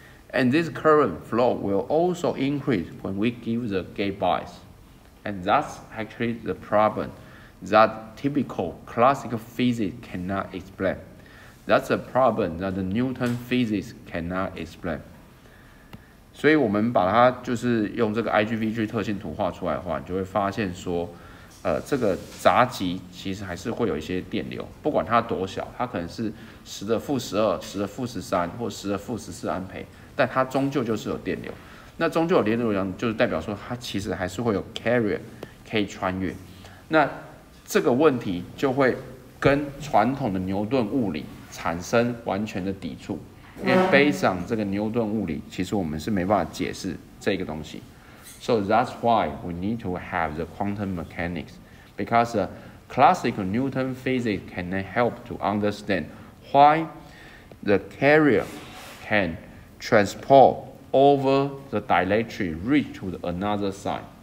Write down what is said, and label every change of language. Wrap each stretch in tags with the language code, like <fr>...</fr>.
<en>And this current flow will also increase when we give the gate bias. And that's actually the problem that typical classical physics cannot explain. That's a problem that the Newton physics cannot explain.</en> <zh>所以我们把它就是用这个 IGVG 特性图画出来的话，你就会发现说，这个闸极其实还是会有一些电流，不管它多小，它可能是10^-12、10^-13或10^-14安培，但它终究就是有电流。那终究有电流量，就是代表说它其实还是会有 carrier 可以穿越。那这个问题就会跟传统的牛顿物理产生完全的抵触。因为</zh> <en>based on</en> <zh>这个牛顿物理，其实我们是没办法解释这个东西。</zh> <en>So that's why we need to have the quantum mechanics, because the classical Newton physics can help to understand why the carrier can transport over the dielectric reach to another side.</en>